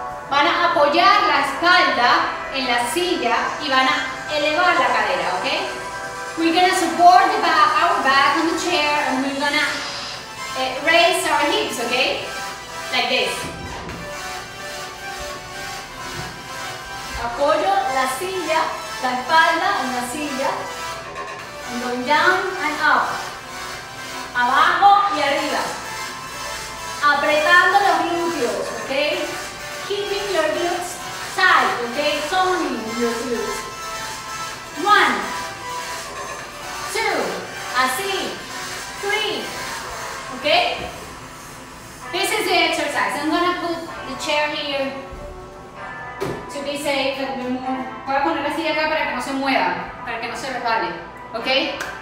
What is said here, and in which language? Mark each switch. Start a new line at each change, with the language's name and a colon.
Spanish: Van a apoyar la espalda en la silla y van a elevar la cadera, okay?
English: We're gonna support the back, our back on the chair and we're gonna raise our hips, okay? Like this.
Spanish: Apoyo la silla, la espalda en la silla.
English: And going down and up.
Spanish: Abajo y arriba. Apretando los glúteos,
English: okay? Keeping your glutes tight, okay? Toning your glutes. One, two, así, three, okay? This is the exercise. I'm gonna put the chair here to be safe.
Spanish: Voy a poner la silla acá para que no se mueva, para que no se resbale, okay?